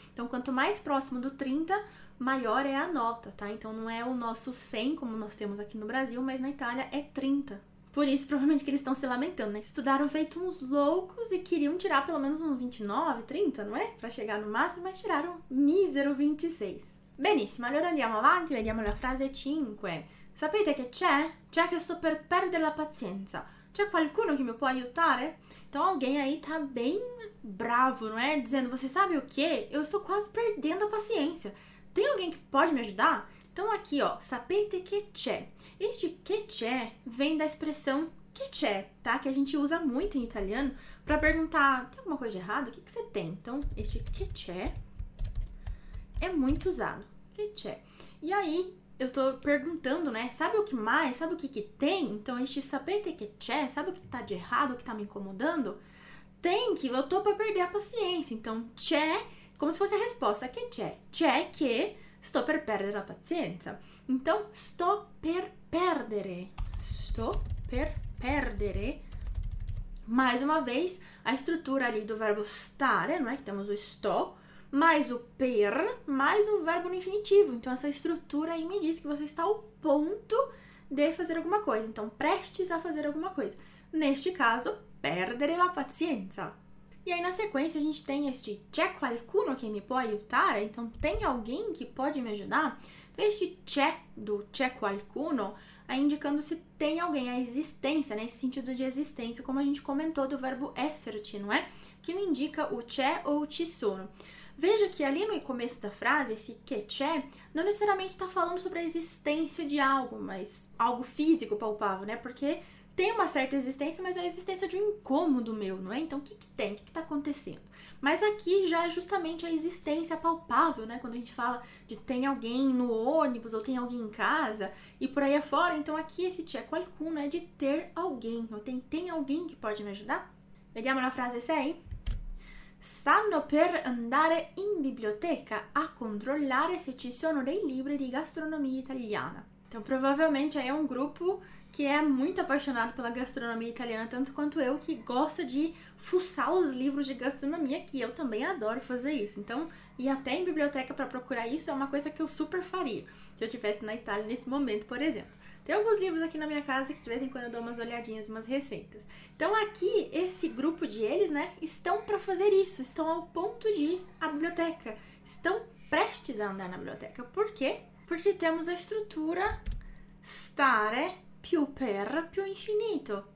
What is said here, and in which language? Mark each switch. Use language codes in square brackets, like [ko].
[pt] Então, quanto mais próximo do 30, maior é a nota, tá? Então, não é o nosso 100, como nós temos aqui no Brasil, mas na Itália é 30. Por isso, provavelmente, que eles estão se lamentando, né? Estudaram feito uns loucos e queriam tirar pelo menos um 29, 30, não é? Para chegar no máximo, mas tiraram um mísero 26. [it] Benissimo, allora andiamo avanti, vediamo la frase 5. Sapete che c'è? C'è che sto per perdere la pazienza. C'è qualcuno che mi può aiutare? [pt] Então, alguém aí tá bem bravo, não é? Dizendo, você sabe o quê? Eu estou quase perdendo a paciência. Tem alguém que pode me ajudar? Então, aqui, ó, sapete che c'è. Este che c'è vem da expressão che c'è, tá? Que a gente usa muito em italiano para perguntar, tem alguma coisa errada? O que você tem? Então, este che c'è é muito usado. Che c'è. E aí, eu tô perguntando, né? Sabe o que mais? Sabe o que que tem? Então, este sapete che c'è, sabe o que tá de errado, o que tá me incomodando? Tem que, eu tô pra perder a paciência. Então, c'è, como se fosse a resposta, che c'è. [it] C'è che sto per perdere la pazienza. Então, sto per perdere. Sto per perdere. [pt] Mais uma vez, a estrutura ali do verbo stare, não é? Que temos o sto, mais o per, mais o verbo no infinitivo. Então, essa estrutura aí me diz que você está ao ponto de fazer alguma coisa. Então, prestes a fazer alguma coisa. Neste caso, perdere la pazienza. E aí, na sequência, a gente tem este c'è qualcuno che mi può aiutare? Então, tem alguém que pode me ajudar? Então, este c'è do c'è qualcuno é indicando se tem alguém, a existência, né? Esse sentido de existência, como a gente comentou do verbo esserci, não é? Que me indica o c'è ou o ci sono. Veja que ali no começo da frase, esse che c'è, não necessariamente está falando sobre a existência de algo, mas algo físico, palpável, né? Porque tem uma certa existência, mas é a existência de um incômodo meu, não é? Então, o que que tem? O que que está acontecendo? Mas aqui já é justamente a existência palpável, né? Quando a gente fala de tem alguém no ônibus ou tem alguém em casa e por aí afora. Então, aqui esse c'è qualcuno é de ter alguém. Ou tem alguém que pode me ajudar? [it] Vediamo la frase 6. Stanno per andare in biblioteca a controllare se ci sono dei libri di gastronomia italiana. [pt] Então, provavelmente, aí é um grupo que é muito apaixonado pela gastronomia italiana, tanto quanto eu, que gosta de fuçar os livros de gastronomia, que eu também adoro fazer isso. Então, ir até em biblioteca para procurar isso é uma coisa que eu super faria, se eu estivesse na Itália nesse momento, por exemplo. Tem alguns livros aqui na minha casa que de vez em quando eu dou umas olhadinhas, umas receitas. Então, aqui, esse grupo de eles, né, estão para fazer isso, estão ao ponto de ir à biblioteca, estão prestes a andar na biblioteca. Por quê? Porque temos a estrutura stare più per più infinito.